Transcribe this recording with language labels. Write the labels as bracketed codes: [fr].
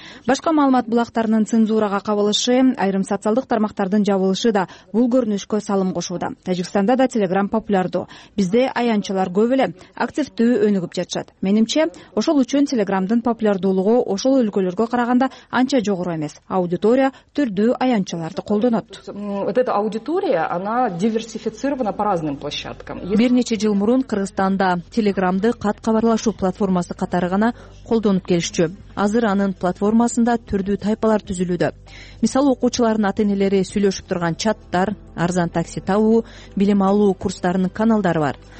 [ky] Башка маалымат булактарынын цензурага кабылышы, айрым социалдык тармактардын жабылышы да бул көрүнүшкө салым кошууда. Тажикстанда да Телеграм популярдуу. Бизде аянтчылар көп эле, активдүү өнүгүп жатышат. Менимче, ошол үчүн Телеграмдын популярдуулугу ошол өлкөлөргө караганда анча жогору эмес. Аудитория түрдүү аянтчыларды колдонот. [ru] Вот эта аудитория, она диверсифицирована по разным площадкам. [ky] Бир нече жыл мурун Кыргызстанда Телеграмды кат кабарлашуу платформасы катары гана колдонуп келишчү. Азыр анын платформасында түрдүү тайпалар түзүлүүдө. Мисалы, окуучулардын ата-энелери сүйлөшүп турган чаттар, арзан такси табуу, билим алуу курстарынын каналдары бар.